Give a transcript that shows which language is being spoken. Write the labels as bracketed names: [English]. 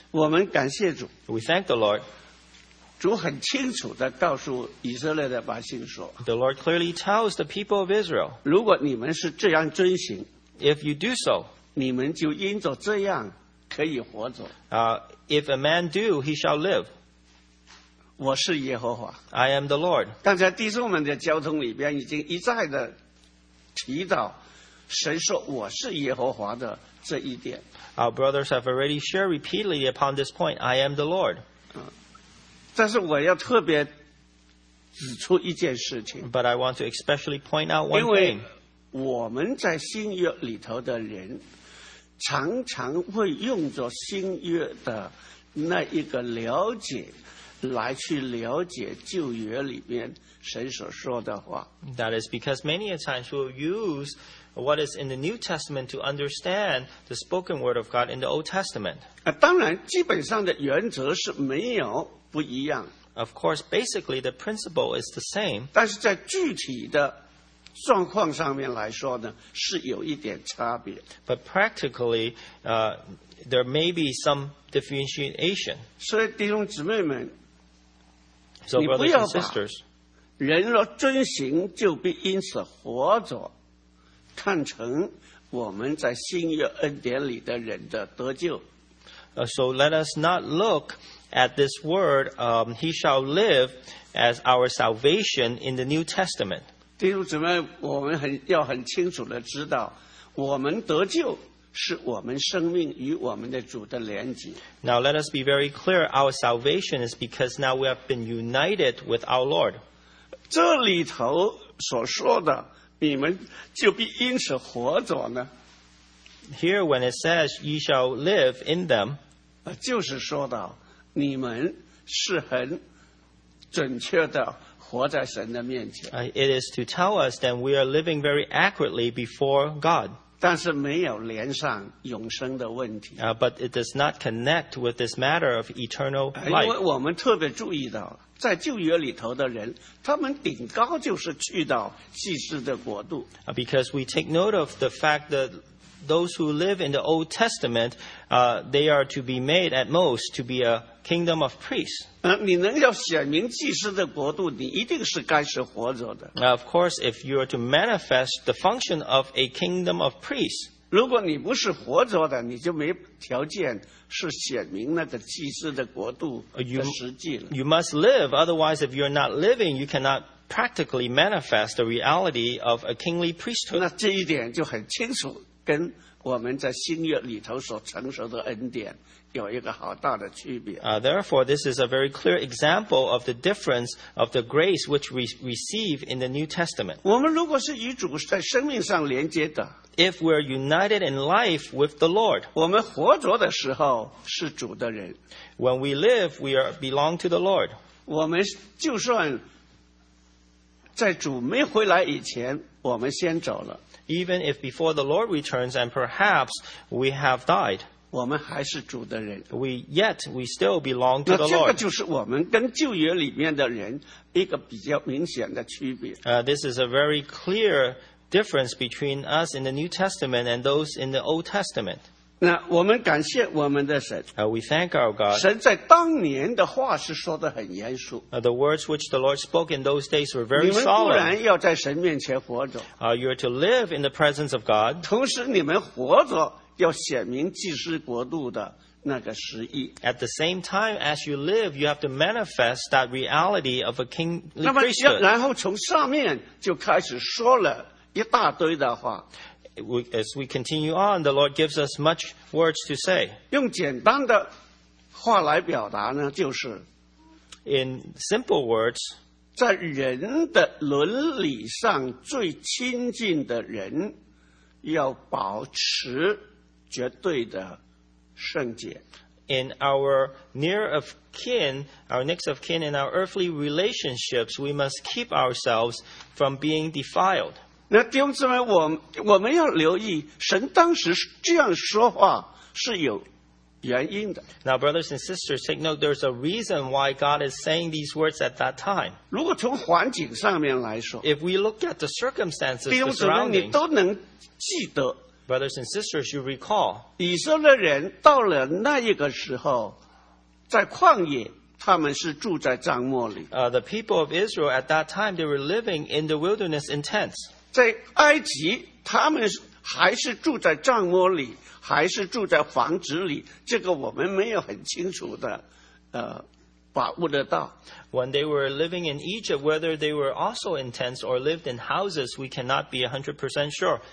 [Chinese] 我们感谢主。 [English] We thank the Lord. [Chinese] 主很清楚地告诉以色列的百姓说， [English] The Lord clearly tells the people of Israel. [Chinese] 如果你们是这样遵行， [English] If you do so, [Chinese] 你们就因着这样可以活着。 [English] If a man do, he shall live. [Chinese] 我是耶和华。 [English] I am the Lord. [Chinese] 刚才弟兄们的交通里边已经一再地提到神说我是耶和华的这一点。 [English] Our brothers have already shared repeatedly upon this point, I am the Lord. [Chinese] 但是我要特别指出一件事情。 [English] But I want to especially point out one thing. [Chinese] 因为我们在新约里头的人常常会用着新约的那一个了解来去了解旧约里面神所说的话。 [English] That is because many a times we'll use what is in the New Testament to understand the spoken word of God in the Old Testament. [Chinese] 当然基本上的原则是没有不一样。 [English] Of course, basically the principle is the same. [Chinese] 但是在具体的状况上面来说呢，是有一点差别。 [English] But practically, there may be some differentiation. [Chinese] 所以弟兄姊妹们， so, 你不要把 sisters, 人若遵行就必因此活着看成我们在新约恩典里的人的得救。 [English] So let us not look at this word, he shall live as our salvation in the New Testament. [Chinese] 弟兄姊妹，我们很要很清楚的知道，我们得救是我们生命与我们的主的连结。 [English] Now let us be very clear, our salvation is because now we have been united with our Lord. [Chinese] 这里头所说的，你们就必因此活着呢。 [English] Here when it says, ye shall live in them, [Chinese] 就是说到你们是很准确的活在神的面前。 [English] It is to tell us that we are living very accurately before God. [Chinese] 但是没有连上永生的问题。 [English] But it does not connect with this matter of eternal life. [Chinese] 因为我们特别注意到，在旧约里头的人，他们顶高就是去到祭司的国度。 [English] Because we take note of the fact that those who live in the Old Testament, they are to be made at most to be a kingdom of priests. [Chinese] 你能要显明祭司的国度，你一定是该是活着的。 [English] Now, of course, if you are to manifest the function of a kingdom of priests, [Chinese] 如果你不是活着的，你就没条件是显明那个祭司的国度的实际了。 [English] You must live, otherwise, if you are not living, you cannot. Practically manifest the reality of a kingly priesthood. [Chinese] 那这一点就很清楚，跟我们在新约里头所承受的恩典有一个好大的区别。 [English] Therefore, this is a very clear example of the difference of the grace which we receive in the New Testament. [Chinese] 我们如果是与主在生命上连接的 [English] ，If we are united in life with the Lord, [Chinese] 我们活着的时候是主的人。 [English] When we live, we are belong to the Lord. [Chinese] 我们就算在主没回来以前，我们先走了。 [English] Even if before the Lord returns and perhaps we have died, [Chinese] 我们还是主的人。 [English] We still belong to the Lord. [Chinese] 那这个就是我们跟旧约里面的人一个比较明显的区别。 [English] This is a very clear difference between us in the New Testament and those in the Old Testament. [Chinese] 那我们感谢我们的神。 [English] We thank our God. [Chinese] 神在当年的话是说得很严肃。 [English] The words which the Lord spoke in those days were very solemn. [Chinese] 你们固然要在神面前活着。 [English] You are to live in the presence of God. [Chinese] 同时你们活着要显明祭司国度的那个实意。 [English] At the same time as you live, you have to manifest that reality of a kingly priesthood. [Chinese] 然后从上面就开始说了一大堆的话。 [English] As we continue on, the Lord gives us much words to say. [Chinese] 用简单的话来表达呢，就是 [English] in simple words, [Chinese] 在人的伦理上最亲近的人要保持绝对的圣洁。 [English] In our near of kin, our next of kin, in our earthly relationships, we must keep ourselves from being defiled. [Chinese] 那弟兄姊妹，我们要留意，神当时这样说话是有原因的。 [English] Now, brothers and sisters, take note. There's a reason why God is saying these words at that time. [Chinese] 如果从环境上面来说 [English] ，If we look at the circumstances, [Chinese] 弟兄姊妹，你都能记得。 [English] Brothers and sisters, you recall. [Chinese] 以色列人到了那一个时候，在旷野。他们是住在帐幕里。 [English] The people of Israel at that time, they were living in the wilderness in tents. [Chinese] 在埃及，他们还是住在帐幕里，还是住在房子里，这个我们没有很清楚的，把握得到。 [English] When they were living in Egypt, whether they were also in tents or lived in houses, we cannot be 100% sure.